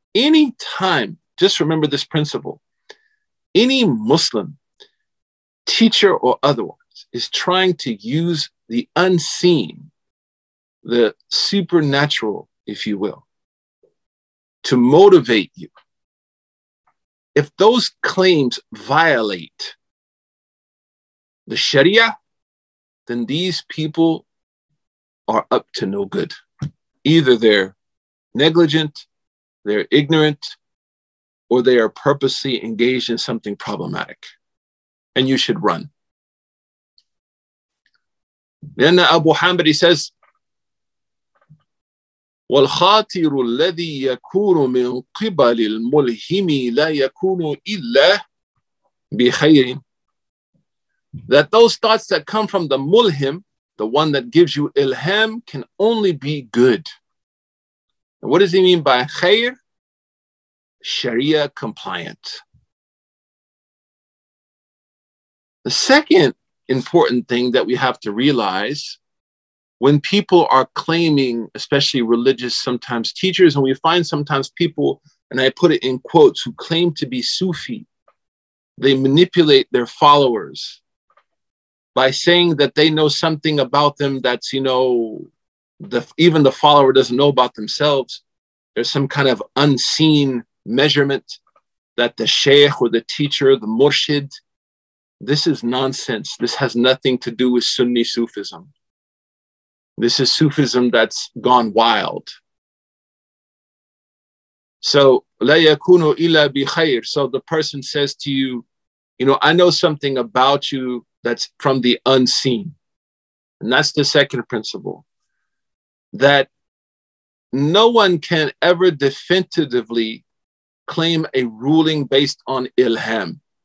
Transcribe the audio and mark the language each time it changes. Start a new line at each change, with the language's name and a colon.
English: Anytime, just remember this principle, any Muslim, teacher or otherwise, is trying to use the unseen, the supernatural, if you will, to motivate you, if those claims violate the Sharia, then these people are up to no good. Either they're negligent, they're ignorant, or they are purposely engaged in something problematic, and you should run. Then Abu Hamid, he says,
Arabic: والخاطر الذي يكون من قبل الملهم لا يكون إلا بخير.
English: That those thoughts that come from the mulhim, the one that gives you ilham, can only be good. And what does he mean by khair? Sharia compliant. The second important thing that we have to realize, when people are claiming, especially religious sometimes teachers, and we find sometimes people, and I put it in quotes, who claim to be Sufi, they manipulate their followers by saying that they know something about them that's, you know, even the follower doesn't know about themselves. There's some kind of unseen measurement that the Sheikh or the teacher, the Murshid, this is nonsense. This has nothing to do with Sunni Sufism. This is Sufism that's gone wild.
Arabic: So, لَا يَكُونُ إِلَّا بِخَيْرٍ.
English: So the person says to you, you know, I know something about you that's from the unseen. And that's the second principle. That no one can ever definitively claim a ruling based on ilham.